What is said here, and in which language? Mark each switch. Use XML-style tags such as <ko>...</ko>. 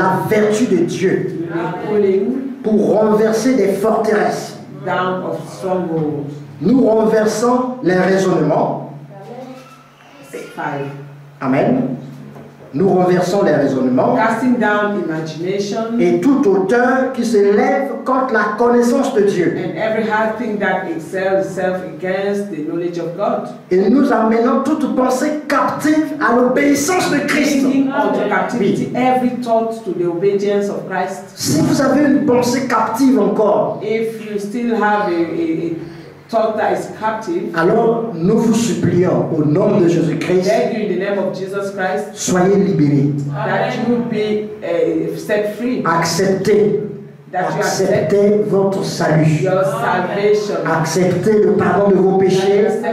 <fr>la vertu de Dieu pour renverser des forteresses.</fr> <en>Down of</en> <fr>nous renversons les raisonnements. Amen. Nous renversons les raisonnements.</fr> <en>Casting down imagination.</en> <fr>Et toute hauteur qui se lève contre la connaissance de Dieu.</fr> <en>And every high thing that excels itself against the knowledge of God.</en> <fr>Et nous amenons toute pensée captive à l'obéissance de Christ.</fr> <en>Bringing into captivity every thought to the obedience of Christ.</en> <fr>Si vous avez une pensée captive encore.</fr> <en>If you still have a thought that is captive,</en> <fr>alors nous vous supplions au nom de Jésus-Christ,</fr> <en>in the name of Jesus Christ,</en> <fr>soyez libérés.</fr> <en>That you will be set free.</en> <fr>Acceptez. Acceptez votre salut.</fr> <en>Your salvation.</en> <fr>Acceptez le pardon de vos péchés.</fr>